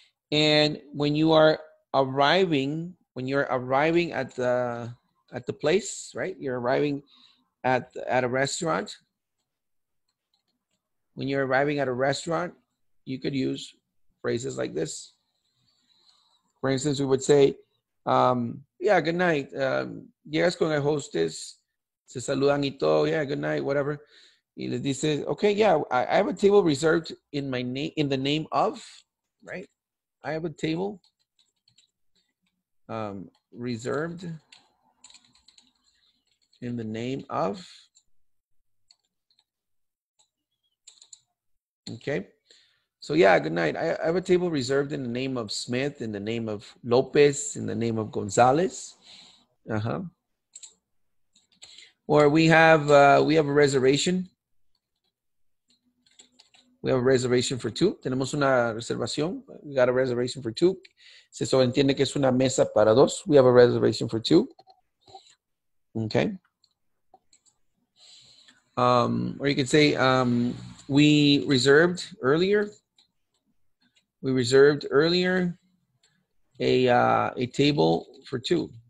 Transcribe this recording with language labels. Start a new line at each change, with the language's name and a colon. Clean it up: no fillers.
English: And when you are arriving, at the place, right? You're arriving at a restaurant. When you're arriving at a restaurant, you could use phrases like this. For instance, we would say, good night.
Spanish: Llegas con el hostess, se saludan y todo.
English: Yeah, good night, whatever.
Spanish: Y les dice,
English: okay, yeah, I have a table reserved in my name, in the name of, right? I have a table reserved in the name of. Okay. So yeah, good night. I have a table reserved in the name of Smith, in the name of Lopez, in the name of Gonzalez. Uh-huh. Or we have a reservation. We have a reservation for two.
Spanish: Tenemos una reservación.
English: We got a reservation for two.
Spanish: Se sobreentiende que es una mesa para dos.
English: We have a reservation for two. Okay. Or you could say, we reserved earlier. We reserved earlier a table for two.